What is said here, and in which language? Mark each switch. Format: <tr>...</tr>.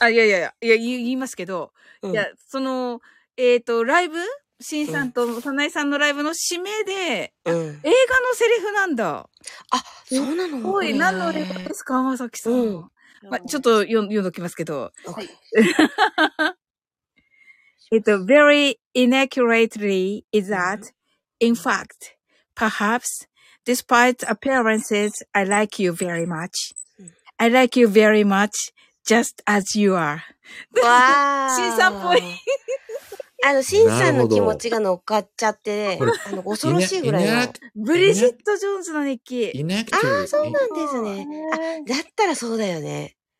<ja>あ、いやいやいや、言いますけど、うん、いや、その、ライブ、シンさんとサナエさんのライブの締めで、うん、映画のセリフなんだ。あ、そうなの？すごい、何のレバーですか、まさきさん。うん、ま、ちょっと読んどきますけど。はい。</ja> <en>very inaccurately is that, in fact, perhaps,Despite appearances, I like you very much. I like you very much, just as you are.</en> <ja>わあ、シンさんっぽい。シンさんの気持ちが乗っかっちゃって、恐ろしいぐらいの。ブリジット・ジョーンズの日記。ああ、そうなんですね。あ、だったらそうだよね。</ja>